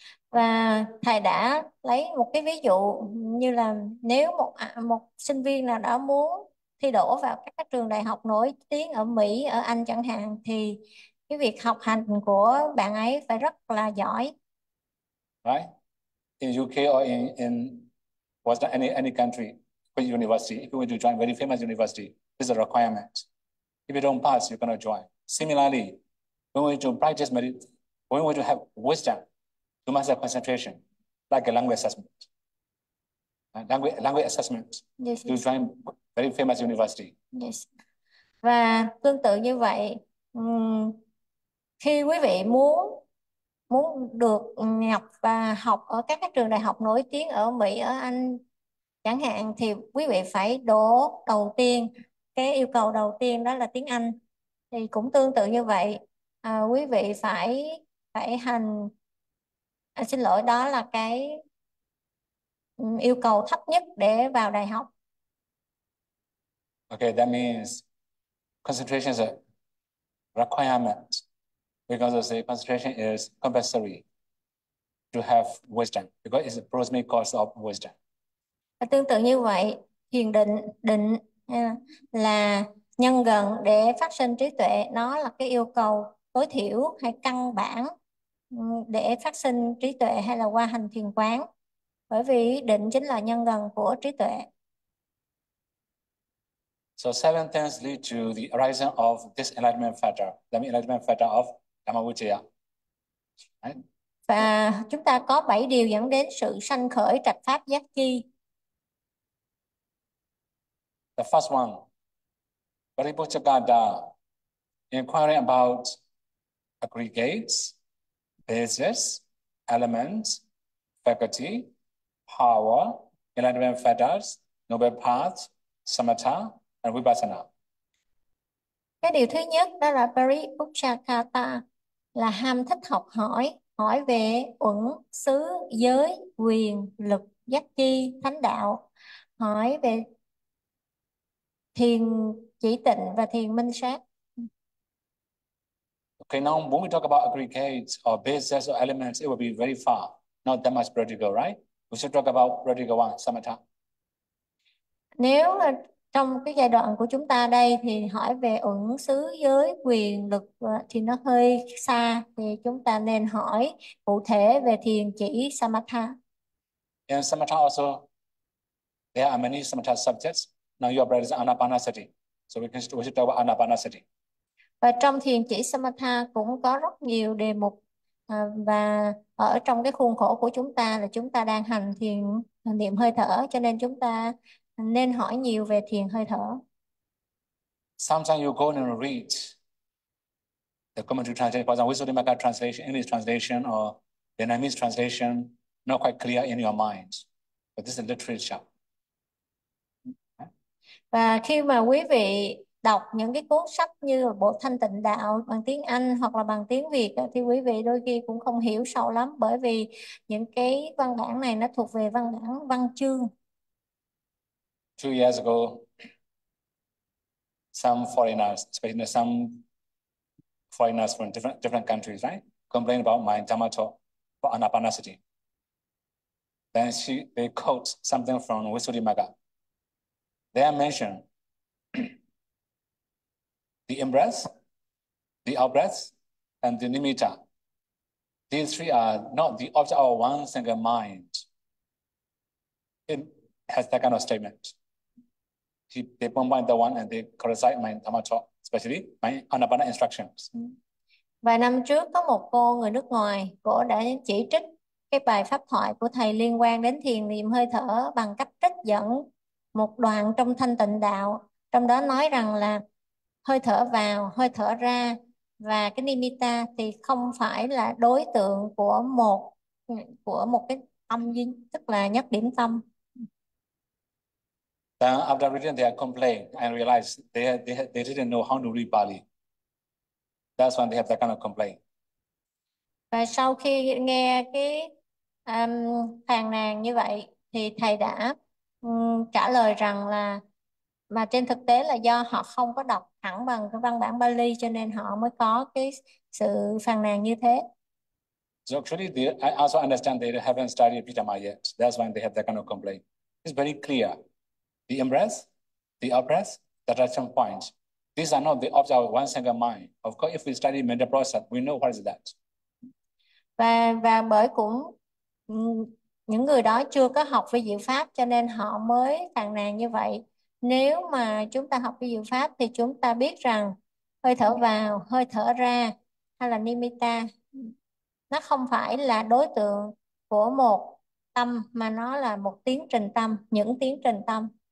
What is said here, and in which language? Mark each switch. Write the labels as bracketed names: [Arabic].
[Vietnamese] Và thầy đã lấy một cái ví dụ như là nếu một sinh viên nào đó muốn thi đỗ vào các trường đại học nổi tiếng ở Mỹ, ở Anh chẳng hạn, thì cái việc học hành của bạn ấy phải rất là giỏi. [English] Right? In UK or in was there any country which university, if you want to join very famous university, this is a requirement. If you don't pass, you cannot join. Similarly, when we want to practice meditation, when we want to have wisdom, you must have concentration, like a language assessment. Language assessment to join very famous university. [Vietnamese] Và tương tự như vậy, khi quý vị muốn muốn được nhập và học ở các trường đại học nổi tiếng ở Mỹ, ở Anh chẳng hạn, thì quý vị phải đỗ đầu tiên, cái yêu cầu đầu tiên đó là tiếng Anh. Thì cũng tương tự như vậy, quý vị phải phải hành xin lỗi, đó là cái yêu cầu thấp nhất để vào đại học. [English] Okay, that means concentration is a requirement because they say concentration is compulsory to have wisdom because it's a prosmic course of wisdom. [Vietnamese] Và tương tự như vậy, thiền định, định là nhân gần để phát sinh trí tuệ, nó là cái yêu cầu tối thiểu hay căn bản để phát sinh trí tuệ hay là qua hành thiền quán, bởi vì định chính là nhân gần của trí tuệ. [English] So seven things lead to the arising of this enlightenment factor, the enlightenment factor of Dhammavijaya. Right? [Vietnamese] Và chúng ta có 7 điều dẫn đến sự sanh khởi trạch pháp giác chi. [English] First one, Paribodhicitta, inquiring about aggregates, bases, elements, faculty, power, enlightenment factors, noble paths, samatha, and vipassana. [Vietnamese] Cái điều thứ nhất đó là Parikuchakata, là ham thích học hỏi, hỏi về uẩn, xứ, giới, quyền, lực, giác chi, thánh đạo, hỏi về thiền chỉ tịnh và thiền minh sát. [English] Okay, now when we talk about aggregates or bases or elements, it will be very far. Not that much practical, right? We should talk about practical one, samatha. [Vietnamese] Nếu là trong cái giai đoạn của chúng ta đây thì hỏi về uẩn xứ giới quyền lực thì nó hơi xa, thì chúng ta nên hỏi cụ thể về thiền chỉ samatha. [English] In samatha also, there are many samatha subjects. Now you are practicing anapanasati. So we should talk about anapanasati. [Vietnamese] Và trong thiền chỉ samatha cũng có rất nhiều đề mục, và ở trong cái khuôn khổ của chúng ta là chúng ta đang hành thiền niệm hơi thở, cho nên chúng ta nên hỏi nhiều về thiền hơi thở. [English] Sometimes you go and read the commentary translation, for example, Visuddhimagga translation, English translation, or Vietnamese translation, not quite clear in your mind. But this is literature. [Vietnamese] Và khi mà quý vị đọc những cái cuốn sách như bộ Thanh Tịnh Đạo bằng tiếng Anh hoặc là bằng tiếng Việt thì quý vị đôi khi cũng không hiểu sâu lắm, bởi vì những cái văn bản này nó thuộc về văn bản văn chương. [English] 2 years ago, some foreigners, especially some foreigners from different countries, right, complained about my Dhamma talk for Anapanasati. Then they quote something from Visuddhimagga. They are mentioned in-breath, the out-breath, and the nimitta. These three are not the object of one single mind. It has that kind of statement. They combine the one and they criticize my Dhamma talk, especially my Anapana instructions. [Vietnamese] Vài năm trước có một cô người nước ngoài, cô đã chỉ trích cái bài pháp thoại của thầy liên quan đến thiền niệm hơi thở bằng cách trích dẫn một đoạn trong Thanh Tịnh Đạo, trong đó nói rằng là hơi thở vào, hơi thở ra và cái nimitta thì không phải là đối tượng của một cái tâm, tức là nhất điểm tâm. [English] After reading their complaint and realized they didn't know how to read Pali. That's when they have that kind of complaint. [Vietnamese] Và sau khi nghe cái phàn nàn như vậy thì thầy đã trả lời rằng là mà trên thực tế là do họ không có đọc thẳng bằng cái văn bản Pali cho nên họ mới có cái sự phàn nàn như thế. [English] So actually, I also understand they haven't studied Pitamaya yet. That's why they have that kind of complaint. It's very clear. The in-breath, the out-breath, the direction point. These are not the object of one single mind. Of course, if we study mental process, we know what is that. [Vietnamese] Và bởi cũng những người đó chưa có học về diệu pháp cho nên họ mới phàn nàn như vậy. Nếu mà chúng ta học về diệu pháp thì chúng ta biết rằng hơi thở vào, hơi thở ra hay là nimitta nó không phải là đối tượng của một tâm mà nó là một tiến trình tâm, những tiến trình tâm.